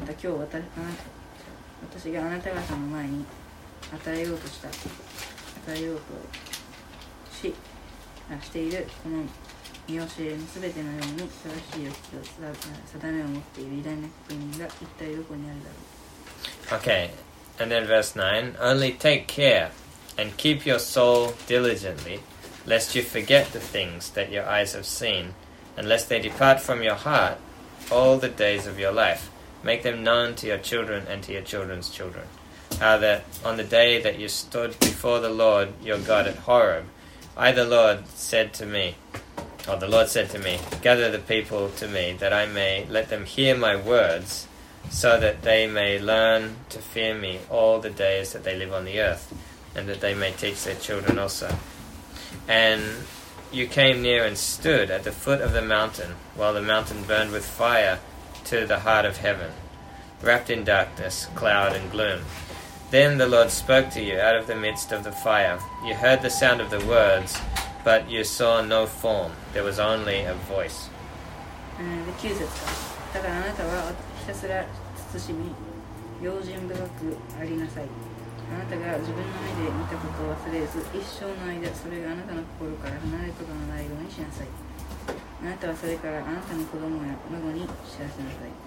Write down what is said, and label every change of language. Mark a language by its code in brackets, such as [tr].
[ja] また今日私があなた方の前に与えようとした伝えようとしているこの見教えの全てのように正しい予期と定めを持っている偉大な国民が一体どこにあるだろう。 [en] Okay, and then verse 9. Only take care and keep your soul diligently, lest you forget the things that your eyes have seen, and lest they depart from your heart all the days of your life. Make them known to your children and to your children's children. How that on the day that you stood before the Lord your God at Horeb, the Lord said to me, Gather the people to me, that I may let them hear my words, so that they may learn to fear me all the days that they live on the earth, and that they may teach their children also. And you came near and stood at the foot of the mountain, while the mountain burned with fire to the heart of heaven, wrapped in darkness, cloud, and gloom. Then the Lord spoke to you out of the midst of the fire. You heard the sound of the words, but you saw no form. There was only a voice. [ja] 9節か。だからあなたはひたすら慎み、用心深くありなさい。あなたが自分の目で見たことを忘れず、一生の間それがあなたの心から離れることのないようにしなさい。あなたはそれからあなたの子供や孫に知らせなさい。